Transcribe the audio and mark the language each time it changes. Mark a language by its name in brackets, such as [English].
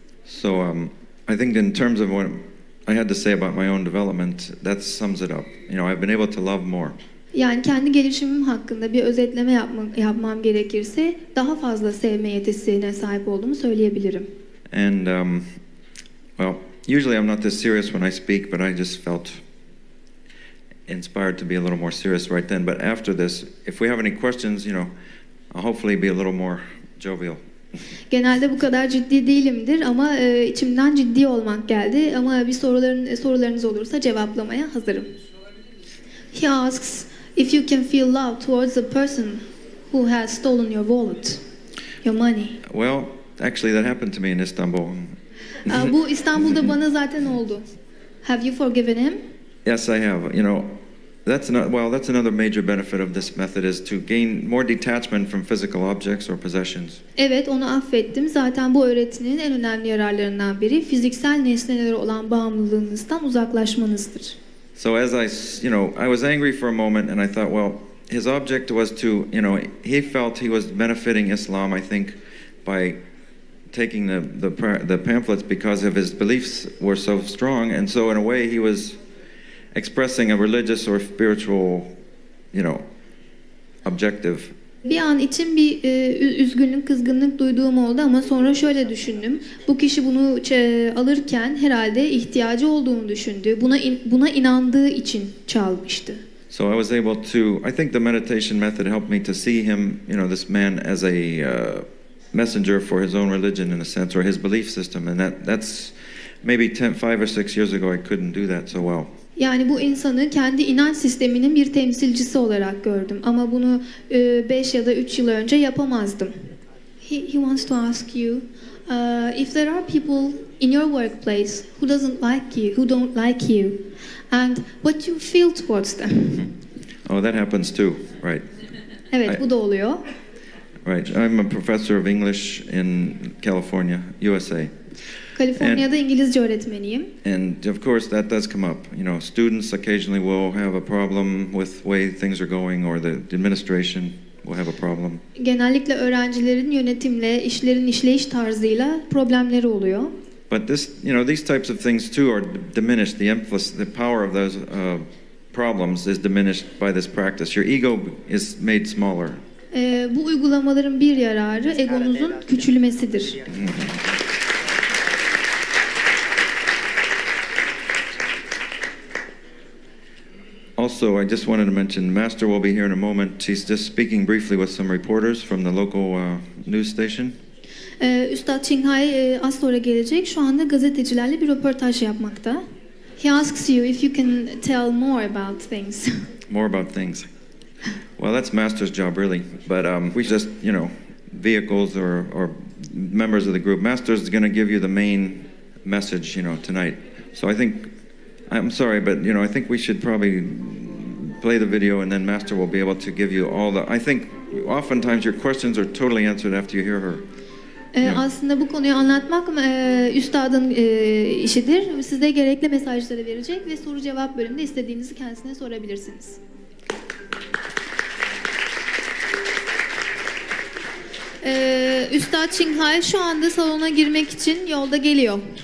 [English] So, I think in terms of what I had to say about my own development, that sums it up. You know, I've been able to love more. [Turkish] Yani kendi gelişimim hakkında bir özetleme yapmam gerekirse daha fazla sevme yetisine sahip olduğumu söyleyebilirim. [English] And well, usually I'm not this serious when I speak, but I just felt inspired to be a little more serious right then. But after this, if we have any questions, you know, I'll hopefully be a little more jovial. [Turkish] Genelde bu kadar ciddi değilimdir ama içimden ciddi olmak geldi. Ama bir sorularınız olursa cevaplamaya hazırım. [English] He asks if you can feel love towards the person who has stolen your wallet, your money. Well, actually that happened to me in Istanbul. [Turkish] Bu İstanbul'da bana zaten oldu. [English] Have you forgiven him? Yes, I have. You know, that's another major benefit of this method is to gain more detachment from physical objects or possessions. [Turkish] Evet, onu affettim. Zaten bu öğretinin en önemli yararlarından biri fiziksel nesnelere olan bağımlılığınızdan uzaklaşmanızdır. [English] So as I, you know, I was angry for a moment and I thought, well, his object was to, you know, he felt he was benefiting Islam, I think, by taking the pamphlets because of his beliefs were so strong, and so in a way he was expressing a religious or spiritual, you know, objective. [Turkish] Bir an için bir üzgünlük, kızgınlık duyduğum oldu ama sonra şöyle düşündüm. Bu kişi bunu alırken herhalde ihtiyacı olduğunu düşündü. Buna inandığı için çalmıştı. [English] So I was able to, I think the meditation method helped me to see him, you know, this man as a messenger for his own religion in a sense, or his belief system. And that's maybe 5 or 6 years ago I couldn't do that so well. [Turkish] Yani bu insanı kendi inanç sisteminin bir temsilcisi olarak gördüm. Ama bunu 5 ya da 3 yıl önce yapamazdım. [English] He wants to ask you, if there are people in your workplace who doesn't like you, who don't like you, and what you feel towards them? Oh, that happens too, right. [Turkish] Evet, bu da oluyor. [English] Right, I'm a professor of English in California, USA. [Turkish] Kaliforniya'da İngilizce öğretmeniyim. [English] And of course that does come up. You know, students occasionally will have a problem with the way things are going or the administration will have a problem. [Turkish] Genellikle öğrencilerin yönetimle, işlerin işleyiş tarzıyla problemleri oluyor. [English] But this, you know, these types of things too are diminished. The power of those problems is diminished by this practice. Your ego is made smaller. [Turkish] Bu uygulamaların bir yararı egonuzun küçülmesidir. [English] Also, I just wanted to mention Master will be here in a moment. He's just speaking briefly with some reporters from the local news station. [Turkish] Üstad Çinghai az sonra gelecek. Şu anda gazetecilerle bir röportaj yapmakta. [English] He asks you if you can tell more about things. More about things. Well, that's Master's job, really. But we just, you know, vehicles or members of the group. Master's going to give you the main message, you know, tonight. So I think, I'm sorry, but you know, I think we should probably play the video, and then Master will be able to give you all the. I think oftentimes your questions are totally answered after you hear her. [Turkish] Aslında bu konuyu anlatmak üstadın işidir. Size gerekli mesajları verecek ve soru-cevap bölümünde istediğinizi kendisine sorabilirsiniz. Üstad Çinghai şu anda salona girmek için yolda geliyor.